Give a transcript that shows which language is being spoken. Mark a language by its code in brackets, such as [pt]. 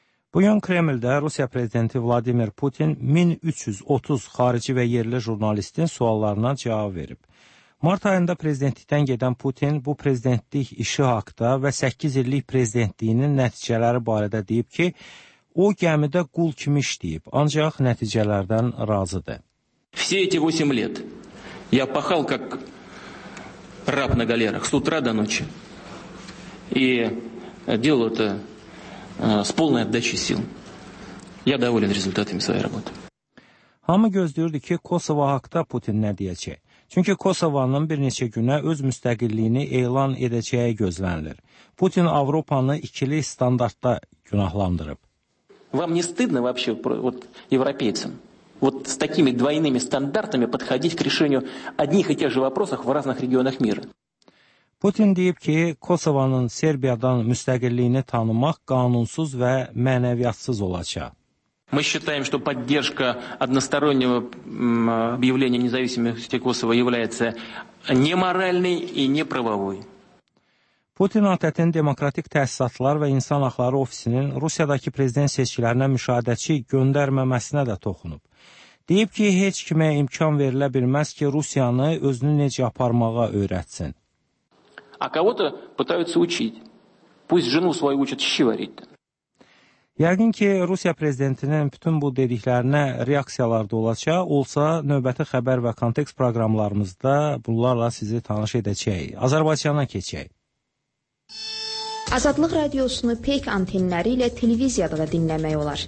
[az] Bugün Kremldə Rusiya prezidenti Vladimir Putin 1330 xarici və yerli jurnalistin suallarına cavab verib. Mart ayında prezidentlikdən gedən Putin bu prezidentlik işi haqda və 8 illik prezidentliyinin nəticələri barədə deyib ki, o gəmidə qul kimi işləyib, ancaq nəticələrdən razıdır. [ru] Все эти 8 лет я пахал как раб на галерах с утра до ночи. И делал это с полной отдачей сил. Я доволен результатами своей работы. [az] Hamı gözləyirdi ki, Kosova haqda Putin nə deyəcək. Çünki Kosovanın bir neçə günə öz müstəqilliyini elan edəcəyi gözlənilir. Putin Avropanı ikili standartda günahlandırıb. [ru] Вам не стыдно вообще вот европейцам вот с такими двойными стандартами подходить к решению одних и тех же вопросов в разных регионах мира? [az] Putin deyib ki, Kosovanın Serbiyadan müstəqilliyini tanımaq qanunsuz və mənəviyyatsız olacaq. [ru] Мы считаем, что поддержка одностороннего объявления независимости Косово является неморальной и неправовой. [az] Putin ATƏT-in Demokratik Təhsilatlar və İnsan Haqları Ofisinin Rusiyadakı prezident seçkilərinə müşahidəçi göndərməməsinə də toxunub. Deyib ki, heç kimə imkan verilə bilməz ki, Rusiyanı özünü necə aparmağa öyrətsin. [ru] А кого-то пытаются учить. Пусть жену свою учат щи варить. [az] Yəqin ki, Rusiya prezidentinin bütün bu dediklərinə reaksiyalar da olacaq. Olsa, növbəti xəbər və kontekst proqramlarımızda bunlarla sizi tanış edəcəyik. Azərbaycana keçək. Azadlıq radiosunu PEK antenləri ilə televiziyada da dinləmək olar.